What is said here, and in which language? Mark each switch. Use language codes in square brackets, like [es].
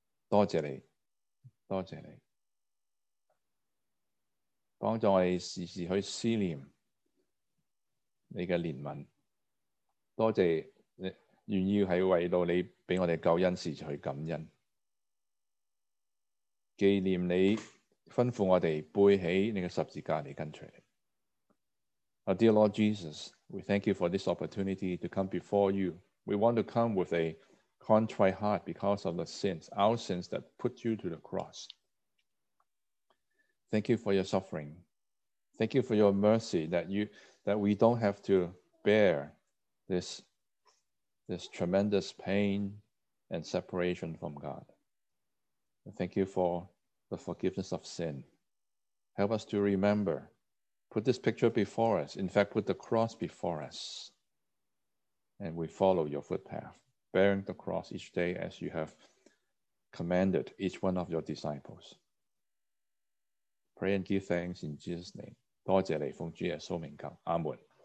[yue] 多谢你，多谢你，帮助我哋时时去思念你嘅怜悯。多谢你，愿意系为到你俾我哋救恩时去感恩。纪念你吩咐我哋背起你嘅十字架嚟跟随你。 [en] Our dear Lord Jesus, we thank you for this opportunity to come before you. We want to come with a contrite heart because of the sins, our sins that put you to the cross. Thank you for your suffering. Thank you for your mercy that we don't have to bear this tremendous pain and separation from God. Thank you for the forgiveness of sin. Help us to remember, put this picture before us. In fact, put the cross before us. And we follow your footpath, bearing the cross each day as you have commanded each one of your disciples. Pray and give thanks in Jesus' name. [yue] 多谢你，奉主耶稣名求，阿门。